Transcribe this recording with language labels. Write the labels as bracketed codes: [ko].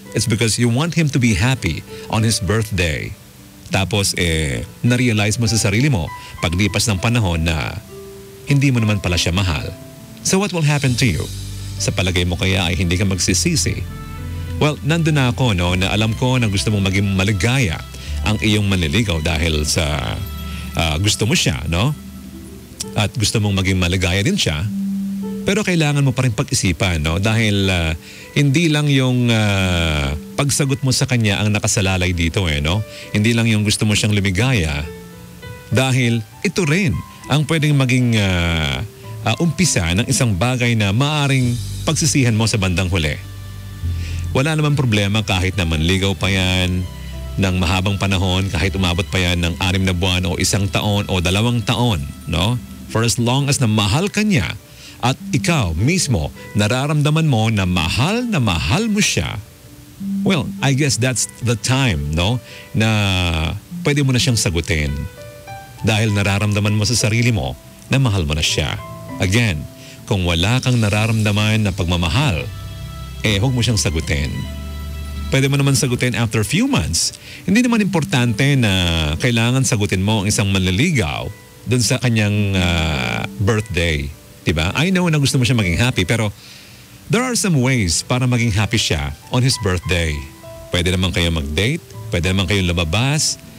[en] It's because you want him to be happy on his birthday. [tl] Tapos na-realize mo sa sarili mo paglipas ng panahon na hindi mo naman pala siya mahal. [en] So what will happen to you? [tl] Sa palagay mo kaya ay hindi ka magsisisi? Well, nandun na ako, no, na alam ko na gusto mong maging maligaya ang iyong manliligaw dahil sa gusto mo siya, no? At gusto mong maging maligaya din siya. Pero kailangan mo pa rin pag-isipan, no? Dahil hindi lang yung pagsagot mo sa kanya ang nakasalalay dito, eh, no? Hindi lang yung gusto mo siyang lumigaya. Dahil ito rin ang pwedeng maging umpisa ng isang bagay na maaring pagsisihan mo sa bandang huli. Wala naman problema kahit na manligaw pa yan ng mahabang panahon, kahit umabot pa yan ng 6 na buwan o 1 taon o 2 taon, no? [en] For as long as [tl] na mahal ka niya at ikaw mismo nararamdaman mo na mahal mo siya, [en] well, I guess that's the time, [tl] no? Na pwede mo na siyang sagutin dahil nararamdaman mo sa sarili mo na mahal mo na siya. Again, kung wala kang nararamdaman na pagmamahal, eh huwag mo siyang sagutin. Pwede mo naman sagutin [en] after a few months. [tl] Hindi naman importante na kailangan sagutin mo ang isang manliligaw dun sa kanyang birthday. Diba? [en] I know [tl] na gusto mo siya maging [en] happy, pero there are some ways [tl] para maging happy siya [en] on his birthday. [tl] Pwede naman kayo mag-date, pwede naman kayo lumabas.